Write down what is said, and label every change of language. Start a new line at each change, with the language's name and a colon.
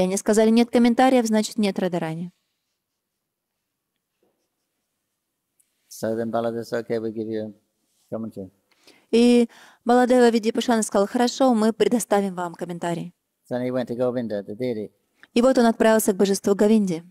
Russian: Они сказали, нет комментариев, значит, нет Радарани.
English: So then Balada said, okay, we'll give you commentary.
Russian: И Баладева Видипашана сказал, хорошо, мы предоставим вам комментарий.
English: So he went to Govinda, the deity.
Russian: И вот он отправился к божеству Говинде.